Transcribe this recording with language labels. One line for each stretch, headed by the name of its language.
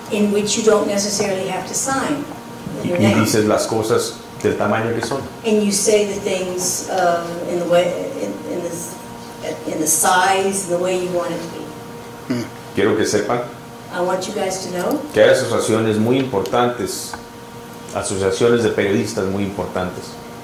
English: In which you don't necessarily have to sign.
Spanish: Y dices las cosas del tamaño que son.
English: And you say the things in the size, the way you want it to be.
Spanish: Quiero que sepan.
English: I want you guys to know
Spanish: que hay asociaciones muy importantes, asociaciones de periodistas muy importantes.